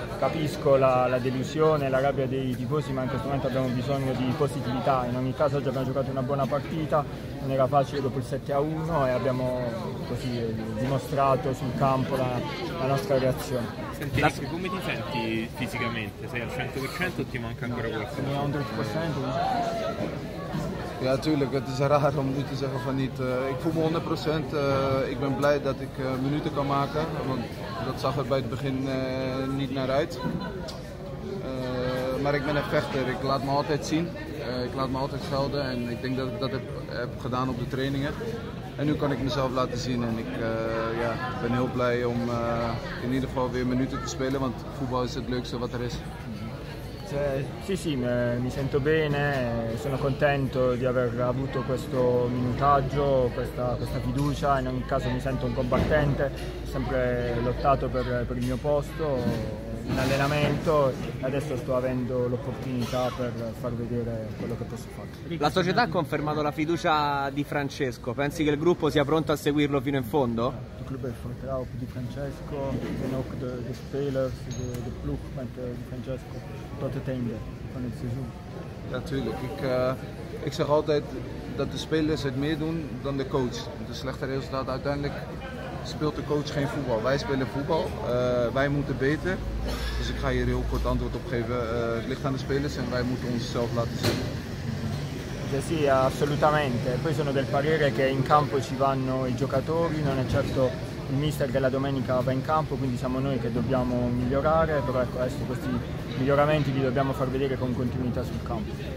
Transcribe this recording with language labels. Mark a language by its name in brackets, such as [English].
[Italian] Capisco la delusione, la rabbia dei tifosi, ma in questo momento abbiamo bisogno di positività. In ogni caso oggi abbiamo giocato una buona partita, non era facile dopo il 7-1 e abbiamo così dimostrato sul campo la nostra reazione. Senti, Rischi, come ti senti fisicamente? Sei al 100% o ti manca ancora qualcosa? No, 100%. [Dutch] Ja, tuurlijk, het is raar om nu te zeggen van niet. Ik voel me 100%. Ik ben blij dat ik minuten kan maken, want dat zag er bij het begin niet naar uit. Maar ik ben een vechter, ik laat me altijd zien. Ik laat me altijd gelden en ik denk dat ik dat heb gedaan op de trainingen. En nu kan ik mezelf laten zien en ik ben heel blij om in ieder geval weer minuten te spelen, want voetbal is het leukste wat er is. [Italian] Sì, mi sento bene, sono contento di aver avuto questo minutaggio, questa fiducia, in ogni caso mi sento un combattente, ho sempre lottato per il mio posto in allenamento e adesso sto avendo l'opportunità per far vedere quello che posso fare. La società ha confermato la fiducia di Francesco, pensi che il gruppo sia pronto a seguirlo fino in fondo? Il club affronterà di Francesco, the spelers, the plukment di Francesco, tot het einde van het seizoen. [Dutch] Natuurlijk, ik zeg altijd dat de spelers het meer doen dan de coach. De slechte resultaten uiteindelijk speelt de coach geen voetbal. Wij spelen voetbal, wij moeten beter. Dus ik ga hier heel kort antwoord op geven. Het ligt aan de spelers en wij moeten onszelf laten zien. [Italian] Sì, assolutamente. Poi sono del parere che in campo ci vanno i giocatori, non è certo il mister che la domenica va in campo, quindi siamo noi che dobbiamo migliorare, però ecco, adesso questi miglioramenti li dobbiamo far vedere con continuità sul campo.